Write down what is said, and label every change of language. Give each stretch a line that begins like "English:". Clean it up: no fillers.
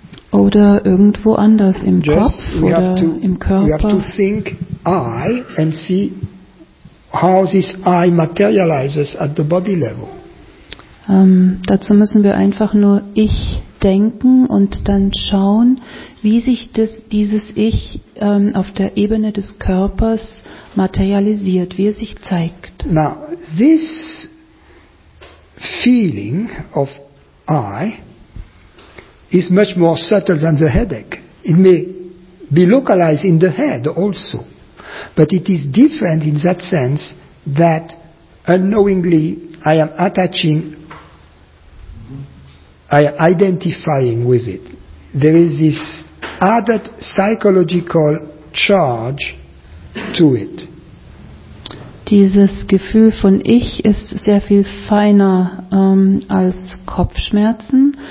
German: Oder irgendwo anders im Kopf oder im Körper.
English: We have to think I and see how this I materializes at the body level.
German: Dazu müssen wir einfach nur ich denken und dann schauen, wie sich dieses Ich auf der Ebene des Körpers materialisiert, wie es sich zeigt.
English: Now, this feeling of I is much more subtle than the headache. It may be localized in the head also, but it is different in that sense that unknowingly I am attaching, I am identifying with it. There is this added psychological charge to it.
German: Dieses Gefühl von Ich ist sehr viel feiner als Kopfschmerzen.